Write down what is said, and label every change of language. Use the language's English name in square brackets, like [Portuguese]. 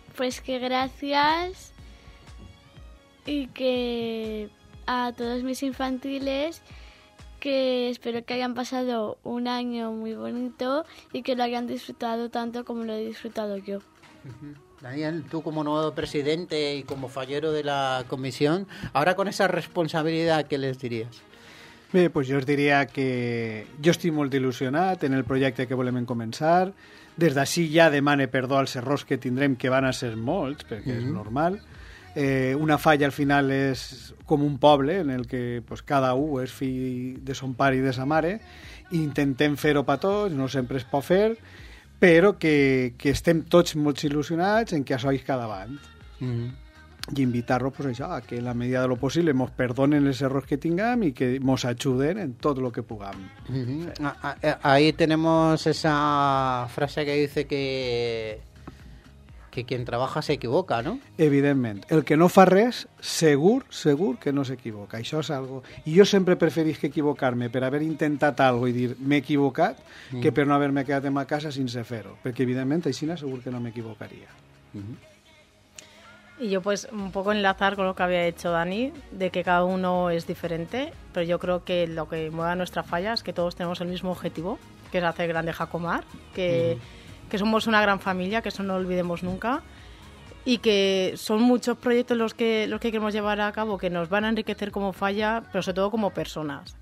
[Spanish] Pues que gracias y que a todos mis infantiles, que espero que hayan pasado un año muy bonito y que lo hayan disfrutado tanto como lo he disfrutado yo. Uh-huh. Daniel, tú como nuevo presidente y como fallero de la comisión, ahora con esa responsabilidad, ¿qué les dirías? [Catalan] Bé, pues jo us diria que jo estic molt il·lusionat en el projecte que volem començar. Des d'ací ja demane perdó als errors que tindrem, que van a ser molts, perquè és normal. Una falla al final és com un poble en el que pues, cada un és fill de son pare i de sa mare. Intentem fer-ho per tots, no sempre es pot fer, però que estem tots molt il·lusionats en que això és cada band. I invitar-los pues, això, a que [Spanish] en la medida de lo possible [Catalan] ens perdonen els errors que tinguem i que ens ajuden en tot el que puguem. [Spanish] Ahí tenemos esa frase que dice que quien trabaja se equivoca, ¿no? [Catalan] Evidentment. El que no fa res, segur que no s'equivoca. Això és algo... I jo sempre preferís que equivocar-me per haver intentat algo i dir m'he equivocat que per no haver-me quedat en ma casa sense fer-ho. Perquè, evidentment, aixina segur que no m'equivocaria. [Spanish] Y yo, pues, un poco enlazar con lo que había dicho Dani, de que cada uno es diferente, pero yo creo que lo que mueve a nuestra falla es que todos tenemos el mismo objetivo, que es hacer grande Jacomar, que somos una gran familia, que eso no olvidemos nunca, y que son muchos proyectos los que queremos llevar a cabo que nos van a enriquecer como falla, pero sobre todo como personas.